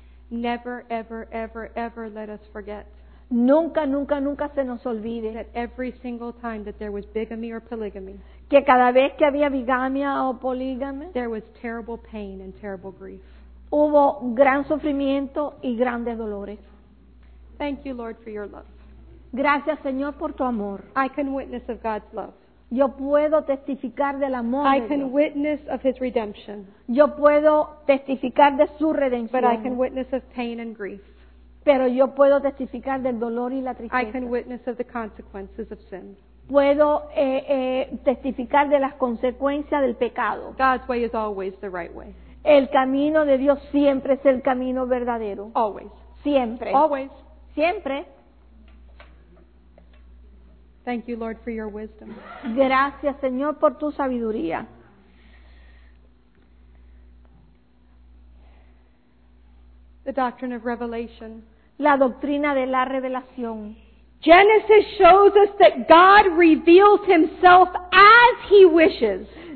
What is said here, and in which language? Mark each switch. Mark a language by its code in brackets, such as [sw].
[en] Never, ever, ever, ever let us forget. [es] Nunca, nunca, nunca se nos olvide. [en] That every single time that there was bigamy or polygamy, [es] que cada vez que había bigamia o polígama, [en] there was terrible pain and terrible grief. [es] Hubo gran sufrimiento y grandes dolores. [en] Thank you, Lord, for your love. [es] Gracias, Señor, por tu amor. [en] I can witness of God's love. [es] Yo puedo testificar del amor de Dios. [en] I can witness of His redemption. [es] Yo puedo testificar de su redención. [en] But I can witness of pain and grief. [es] Pero yo puedo testificar del dolor y la tristeza. [en] I can witness of the consequences of sin. [es] Puedo testificar de las consecuencias del pecado. [en] God's way is always the right way. [es] El camino de Dios siempre es el camino verdadero. [en] Always. [es] Siempre. [en] Always. [es] Siempre. [en] Thank you, Lord, for your wisdom. [es] Gracias, Señor, por tu sabiduría. [en] The doctrine of revelation. [es] La doctrina de la revelación. [en] Genesis shows us that God reveals himself as he wishes.